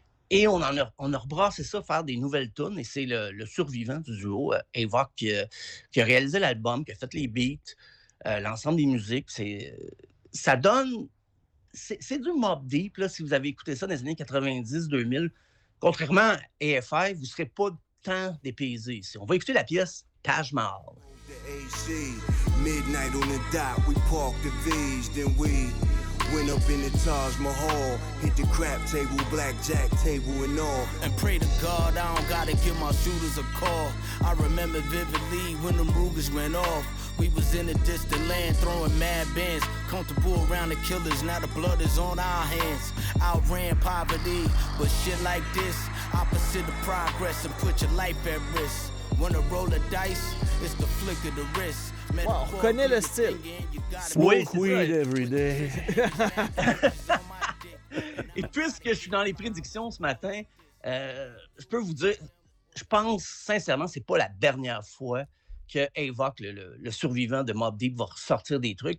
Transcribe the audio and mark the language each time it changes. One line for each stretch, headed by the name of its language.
French: Et on a rebrassé ça, faire des nouvelles tunes. Et c'est le survivant du duo, Avok, qui a réalisé l'album, qui a fait les beats, l'ensemble des musiques. Ça donne... C'est du Mobb Deep, là, si vous avez écouté ça dans les années 90-2000. Contrairement à AFI, vous ne serez pas tant dépaysé. Si on va écouter la pièce Taj Mahal.
English: Midnight on the dot, we parked the V's, then we went up in the Taj Mahal, hit the crap table, blackjack table and all. And pray to God, I don't gotta give my shooters a call. I remember vividly when the Rugers went off. We was in a distant land throwing mad bands. Comfortable around the killers, now the blood is on our hands. Outran poverty, but shit like this, opposite of progress and put your life at risk. When a roll of dice, it's the flick of the wrist.
French: Man, wow, on connaît le style.
English: Smoke weed every day.
French: Et puisque je suis dans les prédictions ce matin, je peux vous dire, je pense sincèrement, c'est pas la dernière fois que Avok, le survivant de Mobb Deep, va ressortir des trucs.